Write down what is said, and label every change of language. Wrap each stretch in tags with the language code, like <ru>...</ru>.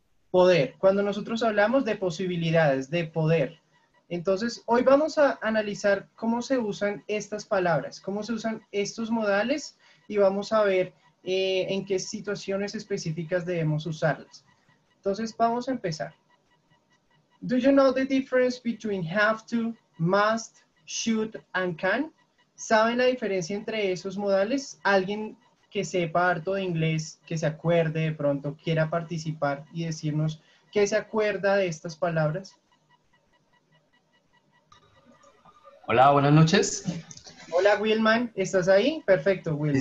<es>Poder. Cuando nosotros hablamos de posibilidades, de poder. Entonces, hoy vamos a analizar cómo se usan estas palabras, cómo se usan estos modales y vamos a ver en qué situaciones específicas debemos usarlas. Entonces, vamos a empezar.</es> <en>Do you know the difference between have to, must, should, and can?</en> <es>¿Saben la diferencia entre esos modales? ¿Alguien que sepa harto de inglés, que se acuerde de pronto, quiera participar y decirnos qué se acuerda de estas palabras? Hola, buenas noches. Hola, Wilman. ¿Estás ahí? Perfecto, Wilman.</es>